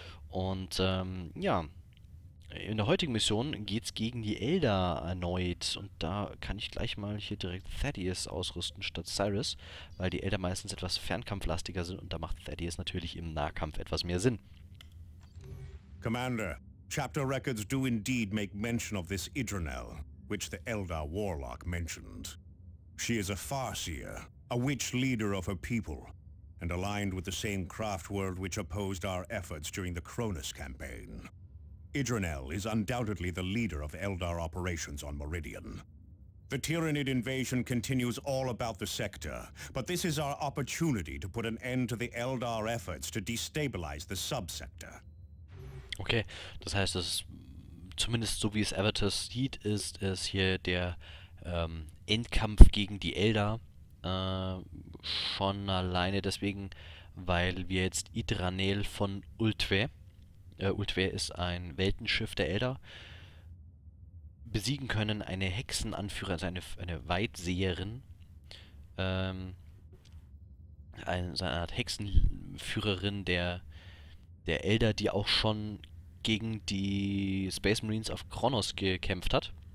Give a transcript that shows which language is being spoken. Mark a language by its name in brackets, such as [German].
[German] Und ja, in der heutigen Mission geht's gegen die Eldar erneut. Und da kann ich gleich mal hier direkt Thaddeus ausrüsten statt Cyrus, weil die Eldar meistens etwas fernkampflastiger sind und da macht Thaddeus natürlich im Nahkampf etwas mehr Sinn. [English] Commander, Chapter Records do indeed make mention of this Idranel, which the Eldar Warlock mentioned. She is a Farseer. A witch leader of her people, and aligned with the same craft world which opposed our efforts during the Cronus campaign. Idranel is undoubtedly the leader of Eldar operations on Meridian. The Tyranid invasion continues all about the sector, but this is our opportunity to put an end to the Eldar efforts to destabilize the subsector. [German] Okay, das heißt, es zumindest so wie es Avatar sieht, ist es hier der Endkampf gegen die Eldar. Schon alleine deswegen, weil wir jetzt Idranel von Ultwe, Ultwe ist ein Weltenschiff der Eldar, besiegen können, eine Hexenanführerin, also eine Weitseherin, eine Art Hexenführerin der Eldar, die auch schon gegen die Space Marines auf Kronos gekämpft hat.